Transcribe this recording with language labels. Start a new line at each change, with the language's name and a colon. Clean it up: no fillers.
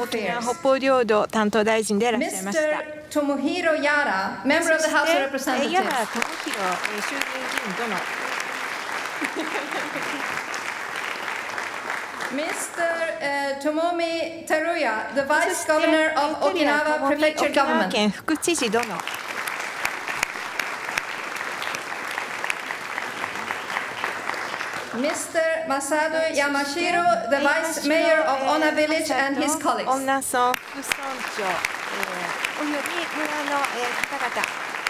Japanese: 沖縄北方領土担当大臣でいらっしゃいました。
English: Mr. Tomohiro Yara, Member of the House of Representatives.
Japanese: そして、矢原智博衆議院議員との。
English: Mr. Tomomi Teruya, the Vice Governor of Okinawa Prefecture Government.
Japanese: 沖縄県副知事殿。
English: Mr. Masado Yamashiro, the Vice Mayor of Onna Village and his colleagues.
Japanese: 恩納村副村長、および村の方々。